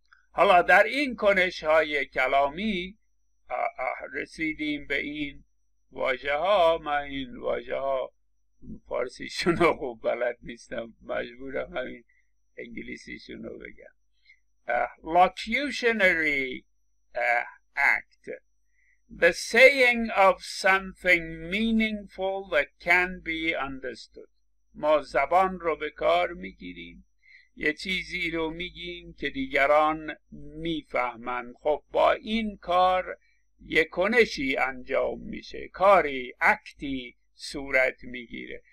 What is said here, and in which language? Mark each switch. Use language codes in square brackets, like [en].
[fa] حالا در این کنش های کلامی رسیدیم به این واژه ها. من این واژه ها فارسیشون رو خوب بلد نیستم، مجبورم همین انگلیسیشون رو بگم. [en] Locutionary act: the saying of something meaningful that can be understood. [fa] ما زبان رو به کار میگیریم، یه چیزی رو میگیم که دیگران میفهمن. خب با این کار یه کنشی انجام میشه، کاری، اکتی صورت میگیره.